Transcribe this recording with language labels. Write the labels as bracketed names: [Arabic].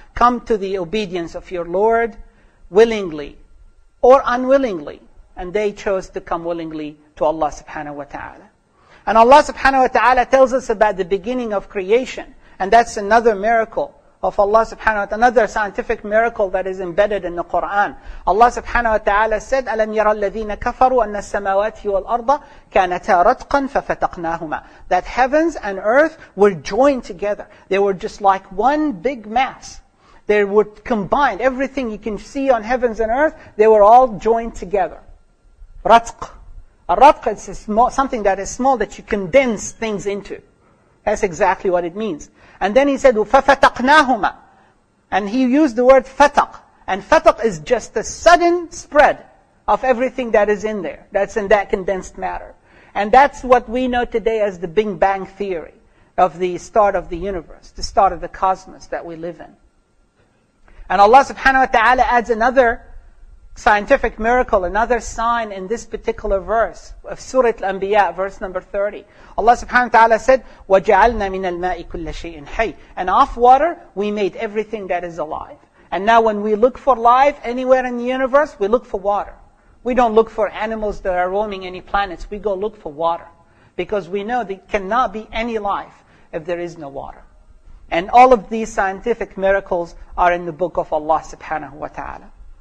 [English] Come to the obedience of your Lord willingly or unwillingly. And they chose to come willingly to Allah subhanahu wa ta'ala. And Allah subhanahu wa ta'ala tells us about the beginning of creation. And that's another miracle of Allah subhanahu wa ta'ala, another scientific miracle that is embedded in the Quran. Allah subhanahu wa ta'ala said, [Arabic] أَلَمْ يَرَى الَّذِينَ كَفَرُوا أَنَّ السَّمَاوَاتِ وَالْأَرْضَ كَانَتَا رَتْقًا فَفَتَقْنَاهُمَا. [English] That heavens and earth were joined together. They were just like one big mass. They were combined. Everything you can see on heavens and earth, they were all joined together. Ratq. A ratq is something that is small that you condense things into. That's exactly what it means. And then he said, [Arabic] فَفَتَقْنَاهُمَا. [English] And he used the word fataq. And fataq is just a sudden spread of everything that is in there. That's in that condensed matter. And that's what we know today as the Big Bang theory of the start of the universe, the start of the cosmos that we live in. And Allah subhanahu wa ta'ala adds another scientific miracle, another sign in this particular verse of Surah Al-Anbiya, verse number 30. Allah subhanahu wa ta'ala said, [Arabic] وَجَعَلْنَا مِنَ الْمَاءِ كُلَّ شَيْءٍ حَيٍّ. [English] And off water, we made everything that is alive. And now when we look for life anywhere in the universe, we look for water. We don't look for animals that are roaming any planets. We go look for water. Because we know there cannot be any life if there is no water. And all of these scientific miracles are in the book of Allah subhanahu wa ta'ala.